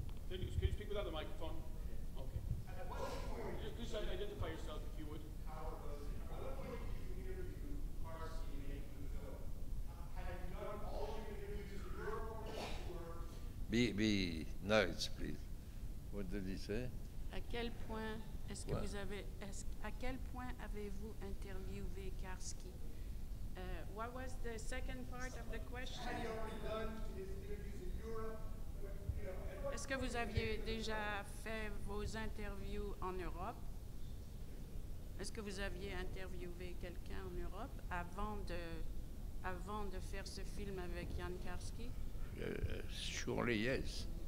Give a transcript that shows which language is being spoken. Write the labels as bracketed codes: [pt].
[en] Can you speak without the microphone? Okay. And at what point? Please identify yourself if you would. At what point did you interview Karski in the film? Had you done all of your interviews in Europe or Be nice, please. What did he say? [fr] À quel point est-ce que vous avez, à quel point avez-vous interviewé Karski? [en] What was the second part of the question? Had you already done his interviews in Europe? [fr] Est-ce que vous aviez déjà fait vos interviews en Europe? Est-ce que vous aviez interviewé quelqu'un en Europe avant de faire ce film avec Jan Karski? [en] Surely yes.